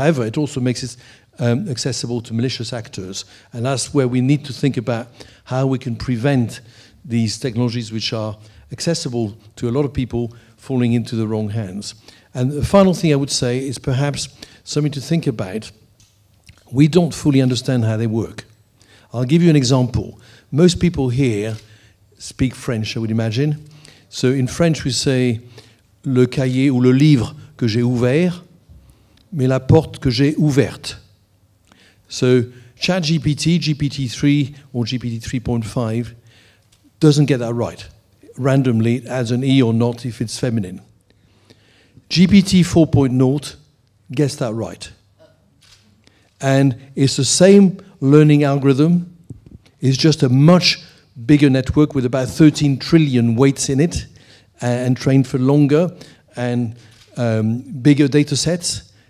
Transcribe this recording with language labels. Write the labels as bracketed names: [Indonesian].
[English] However, it also makes it accessible to malicious actors, and that's where we need to think about how we can prevent these technologies, which are accessible to a lot of people, falling into the wrong hands. And the final thing I would say is perhaps something to think about. We don't fully understand how they work. I'll give you an example. Most people here speak French, I would imagine. So in French, we say [French] le cahier ou le livre que j'ai ouvert, mais la porte que j'ai ouverte. [English] So ChatGPT, GPT-3 or GPT-3.5 doesn't get that right. Randomly, it adds an E or not if it's feminine. GPT-4.0 gets that right. And it's the same learning algorithm. It's just a much bigger network with about 13 trillion weights in it and trained for longer and bigger data sets.